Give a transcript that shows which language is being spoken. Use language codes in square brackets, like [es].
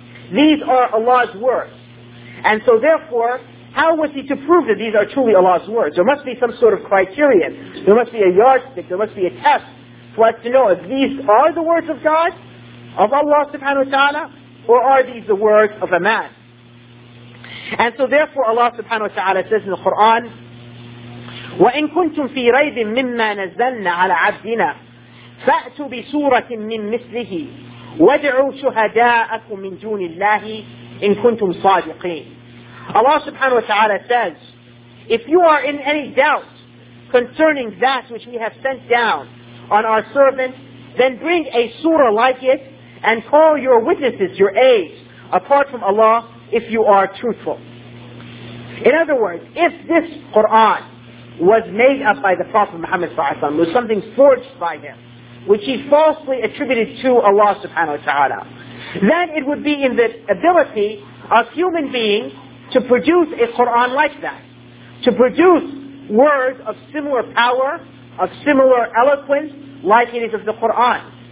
[en] These are Allah's words. And so therefore, how was he to prove that these are truly Allah's words? There must be some sort of criterion. There must be a yardstick. There must be a test for us to know if these are the words of God, of Allah subhanahu wa ta'ala, or are these the words of a man? And so therefore Allah subhanahu wa ta'ala says in the Quran, [ar] وَإِن كُنْتُمْ فِي رَيْبٍ مِمَّا نَزَّلْنَا عَلَى عَبْدِنَا فَأْتُوا بِسُورَةٍ مِّن مِثْلِهِ وَادْعُوا شُهَدَاءَكُم مِّن دُونِ اللَّهِ إِن كُنْتُمْ صَادِقِينَ. [en] Allah subhanahu wa ta'ala says, if you are in any doubt concerning that which we have sent down on our servant, then bring a surah like it and call your witnesses, your aids, apart from Allah, if you are truthful. In other words, if this Qur'an was made up by the Prophet Muhammad sallallahu alayhi wa sallam, was something forged by him, which he falsely attributed to Allah subhanahu wa ta'ala, then it would be in the ability of human beings to produce a Qur'an like that, to produce words of similar power, of similar eloquence, like it is of the Qur'an.